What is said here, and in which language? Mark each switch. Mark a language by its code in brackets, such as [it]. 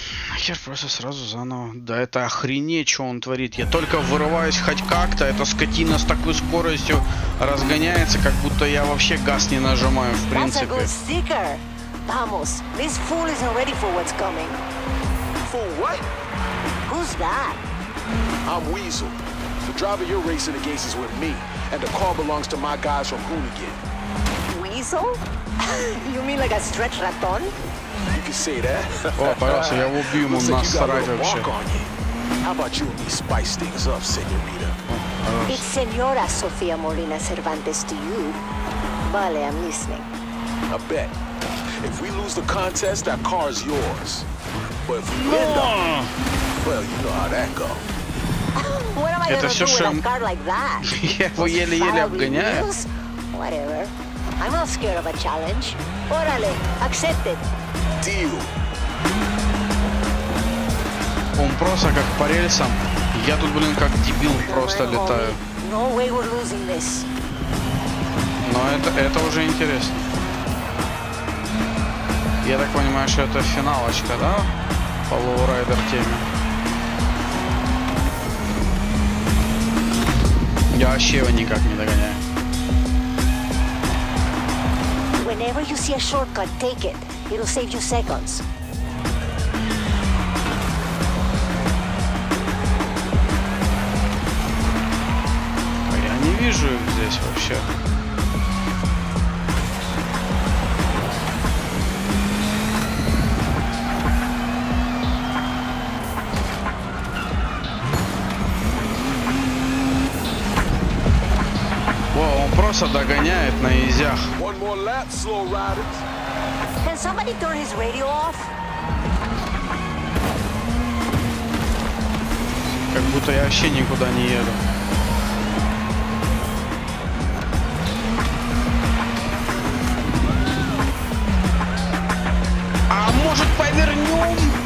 [ru] Нахер просто сразу заново. Да это охренеть, что он творит. Я только вырываюсь хоть как-то. Эта скотина с такой скоростью разгоняется, как будто я вообще газ не нажимаю, в принципе. [en] Vamos, this fool isn't ready for what's coming. For what? Who's that? I'm Weasel. The driver you're racing against is with me, and the car belongs to my guys from Hoonigan. Weasel? You mean like a stretch raton? You can say that. Oh, [ru] пожалуйста, я убью ему нас сразу вообще. [en] How about you and me spice things up, señorita? It's señora Sofia Molina Cervantes to you. Vale, I'm listening. I bet. If we lose the contest, that car is yours. But if we end up, well, you know how that goes. What am I gonna do with a car like that? [ru] Я его еле-еле обгоняю. [en] Whatever. I'm not scared of a challenge. Orale, accept it. Deal. [ru] Он просто как по рельсам. Я тут, блин, как дебил просто летаю. [en] No way we're losing this. [ru] Но это уже интересно. Я так понимаю, что это финалочка, да? По лоурайдер теме. Я вообще его никак не догоняю. [en] Whenever you see a shortcut, take it. It'll save you seconds. [ru] Я не вижу их здесь вообще. Догоняет на изях. [en] One more lap, slow riders. Can somebody turn his radio off? [ru] Как будто я вообще никуда не еду. А может повернем?